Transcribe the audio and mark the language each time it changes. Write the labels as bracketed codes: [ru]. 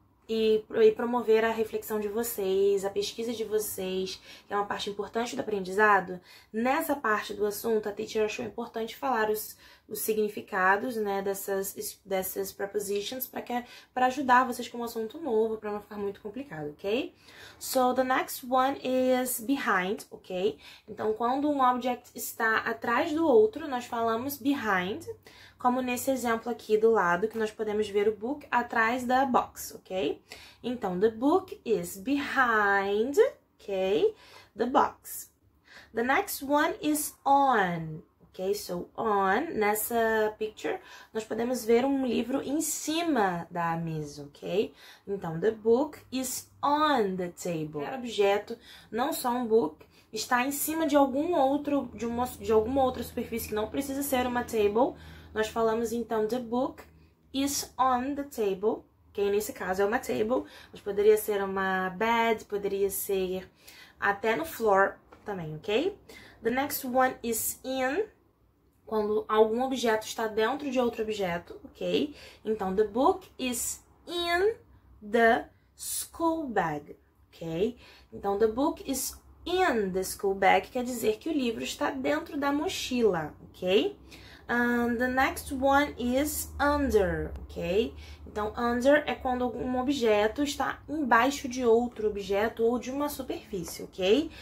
[pt] e promover a reflexão de vocês, a pesquisa de vocês, que é uma parte importante do aprendizado, nessa parte do assunto, a teacher achou importante falar os significados, né, dessas prepositions para ajudar vocês com um assunto novo, para não ficar muito complicado, ok? [en] So, the next one is behind, ok? [pt] Então, quando um object está atrás do outro, nós falamos behind, como nesse exemplo aqui do lado, que nós podemos ver o book atrás da box, ok? Então, [en] the book is behind, ok? The box. The next one is on. Ok, so on, [pt] nessa picture, nós podemos ver um livro em cima da mesa, ok? Então, [en] the book is on the table. [pt] Um objeto, não só um book, está em cima de algum outro, de alguma outra superfície que não precisa ser uma table. Nós falamos, então, [en] the book is on the table, ok? [pt] Nesse caso, é uma table, mas poderia ser uma bed, poderia ser até no floor também, ok? [en] The next one is in, [pt] quando algum objeto está dentro de outro objeto, ok? Então, [en] the book is in the school bag, ok? [pt] Então, [en] the book is in the school bag, [pt] quer dizer que o livro está dentro da mochila, ok? [en] The next one is under, ok? [pt] Então, under é quando um objeto está embaixo de outro objeto ou de uma superfície, ok?